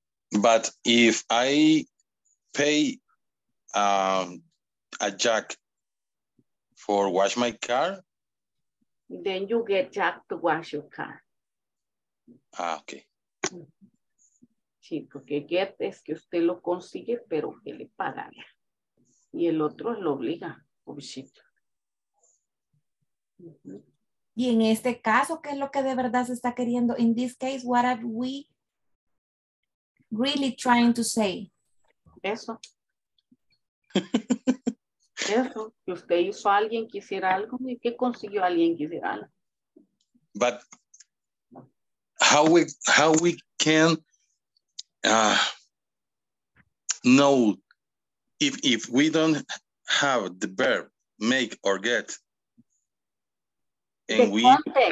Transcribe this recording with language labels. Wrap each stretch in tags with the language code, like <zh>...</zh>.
<en>But if I pay a Jack for wash my car, then you get Jack to wash your car. Ah, okay.</en> <es>Sí, porque get es que usted lo consigue, pero que le paga. Y el otro lo obliga, pobrecito. Y en este caso, ¿qué es lo que de verdad se está queriendo?</es> <en>In this case, what are we really trying to say?</en> <es>Eso. Eso. Que usted hizo a alguien que hiciera algo y que consiguió a alguien que hiciera algo.</es> <en>But how we can know if we don't have the verb make or get. And the we context.</en>